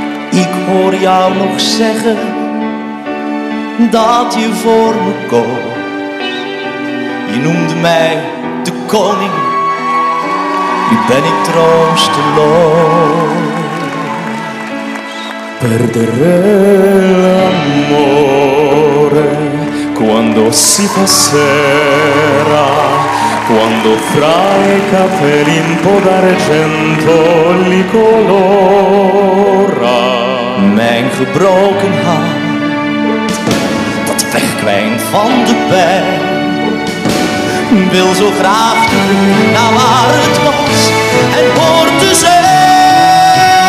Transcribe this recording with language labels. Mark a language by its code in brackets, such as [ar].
[nl] Ik hoor jou nog zeggen, dat je voor me koos. Je noemde mij de koning, nu ben ik troosteloos. [it] Perdere l'amore quando si fa sera, quando fra i capelli un po' d'argento li colora. [nl] Mijn gebroken hart, dat wegkwijnt van de pijn, wil zo graag terug naar waar het was en hoort te zijn.